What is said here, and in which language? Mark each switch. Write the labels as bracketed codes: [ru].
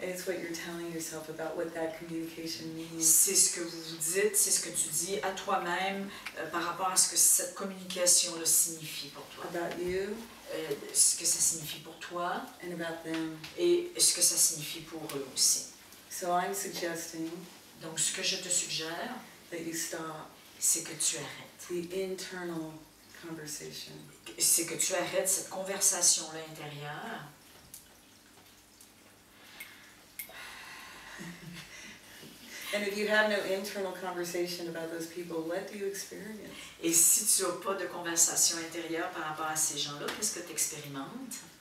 [en] It's what you're telling yourself about what that communication means. [fr] C'est ce que vous vous dites, c'est ce que tu dis à toi-même par rapport à ce que cette communication-là signifie pour toi. [en] About you. [fr] Ce que ça signifie pour toi. [en] And about them. [fr] Et ce que ça signifie pour eux aussi. [en] So I'm suggesting. [fr] Donc ce que je te suggère. [en] That you stop. [fr] C'est que tu arrêtes. [en] The internal conversation. [fr] C'est que tu arrêtes cette conversation là intérieure. [en] And if you have no internal conversation about those people, what do you experience? [fr] Et si tu as pas de conversation intérieure par rapport à ces gens-là, qu'est-ce que tu expérimentes?